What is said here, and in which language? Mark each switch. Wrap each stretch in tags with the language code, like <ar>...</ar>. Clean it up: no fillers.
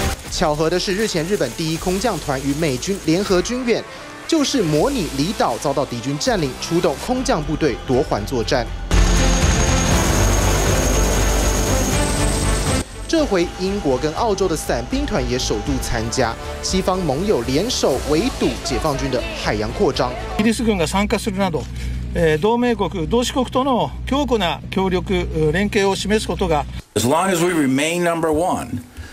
<zh>巧合的是，日前日本第一空降团与美军联合军演，就是模拟离岛遭到敌军占领，出动空降部队夺环作战。这回英国跟澳洲的伞兵团也首度参加，西方盟友联手围堵解放军的海洋扩张。</zh> <ja>イギリス軍が参加するなど、同盟国、同志国との強固な協力連携を示すことが。</ja> <en>As long as we remain number one.</en>